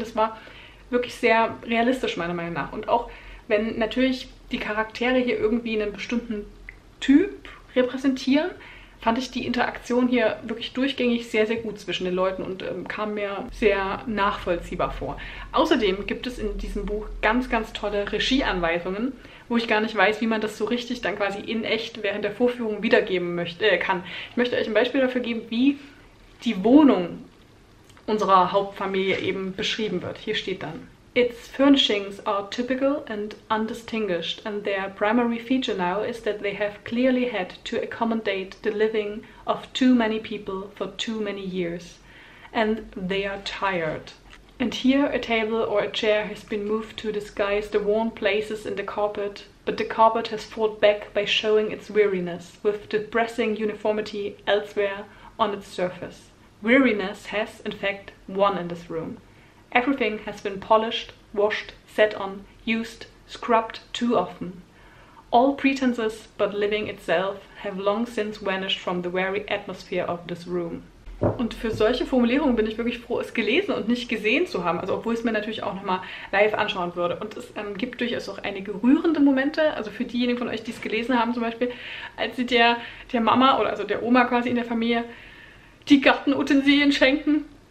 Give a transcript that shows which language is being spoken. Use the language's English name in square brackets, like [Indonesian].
[German] Das war wirklich sehr realistisch, meiner Meinung nach. Und auch wenn natürlich die Charaktere hier irgendwie einen bestimmten Typ repräsentieren, fand ich die Interaktion hier wirklich durchgängig sehr, sehr gut zwischen den Leuten und kam mir sehr nachvollziehbar vor. Außerdem gibt es in diesem Buch ganz, ganz tolle Regieanweisungen, wo ich gar nicht weiß, wie man das so richtig dann quasi in echt während der Vorführung wiedergeben kann. Ich möchte euch ein Beispiel dafür geben, wie die Wohnung unserer Hauptfamilie eben beschrieben wird. Hier steht dann: [English] "Its furnishings are typical and undistinguished, and their primary feature now is that they have clearly had to accommodate the living of too many people for too many years, and they are tired. And here a table or a chair has been moved to disguise the worn places in the carpet, but the carpet has fought back by showing its weariness with depressing uniformity elsewhere on its surface. Weariness has, in fact, won in this room. Everything has been polished, washed, set on, used, scrubbed too often. All pretenses but living itself have long since vanished from the very atmosphere of this room." [German] Und für solche Formulierungen bin ich wirklich froh, es gelesen und nicht gesehen zu haben. Also obwohl ich es mir natürlich auch nochmal live anschauen würde. Und es gibt durchaus auch einige rührende Momente. Also für diejenigen von euch, die es gelesen haben zum Beispiel, als sie der Mama oder also der Oma quasi in der Familie die Gartenutensilien schenken.